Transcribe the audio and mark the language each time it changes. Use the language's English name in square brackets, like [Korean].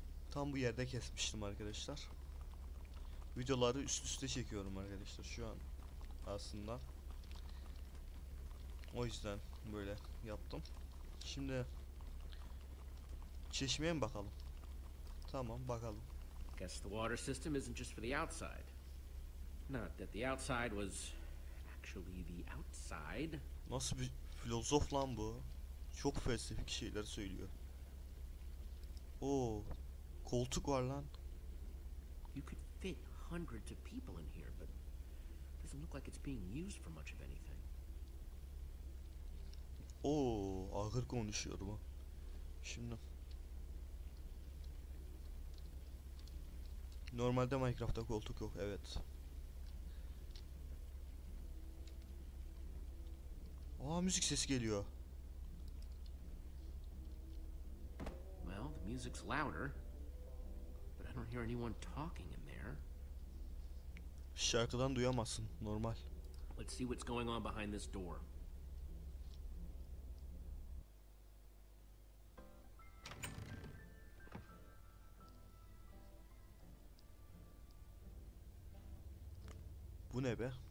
[Turkish] Tam bu yerde kesmiştim arkadaşlar. Videoları üst üste çekiyorum arkadaşlar şu an aslında. O yüzden böyle yaptım. Şimdi çeşmeye mi bakalım? Tamam, bakalım. [English] Guess the water system isn't just for the outside. Not that the outside was actually the outside. [Turkish] Nasıl bir filozof lan bu? Çok felsefik şeyler söylüyor. Oo, koltuk var lan. [English] You could fit hundreds of people in here, but it doesn't look like it's being used for much of anything. [Turkish] Oo, ağır konuşuyor bu. Şimdi normalde Minecraft'ta koltuk yok, evet. Aa, müzik sesi geliyor. [English] Well, the music's louder, but I don't hear anyone talking in there. [Turkish] Şarkıdan duyamazsın, normal. [English] Let's see what's going on behind this door. [Turkish] Bu ne be?